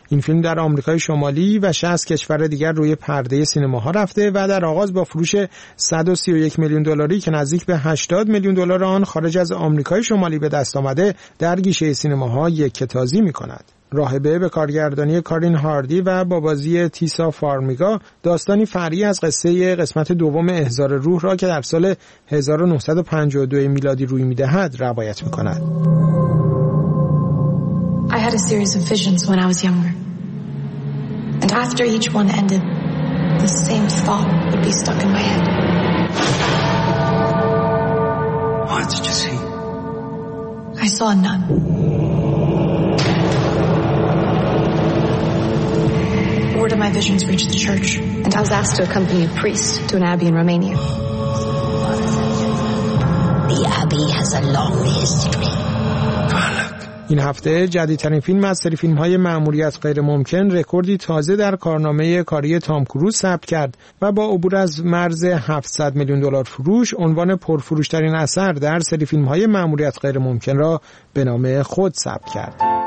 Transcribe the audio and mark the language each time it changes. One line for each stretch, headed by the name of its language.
Persian: این فیلم در آمریکای شمالی و 60 کشور دیگر روی پرده سینماها رفته و در آغاز با فروش 131 میلیون دلاری که نزدیک به 80 میلیون دلار آن خارج از آمریکای شمالی به دست آمده در گیشه سینماها یکتازی می‌کند. راهبه به کارگردانی کارین هاردی و با بازی تیسا فارمیگا داستانی فرعی از قصه قسمت دوم احضار روح را که در سال 1952 میلادی روی می‌دهد روایت می‌کند.
English: I had a series of visions when I was younger. And after each one ended, the same thought would be stuck in my head. What did you see? I saw a nun. Word of my visions reached the church, and I was asked to accompany a priest to an abbey in Romania. The abbey has a long history.
Persian: این هفته جدیدترین فیلم از سری فیلم‌های مأموریت غیرممکن رکوردی تازه در کارنامه کاری تام کروز ثبت کرد و با عبور از مرز 700 میلیون دلار فروش عنوان پرفروش‌ترین اثر در سری فیلم‌های مأموریت غیرممکن را به نام خود ثبت کرد.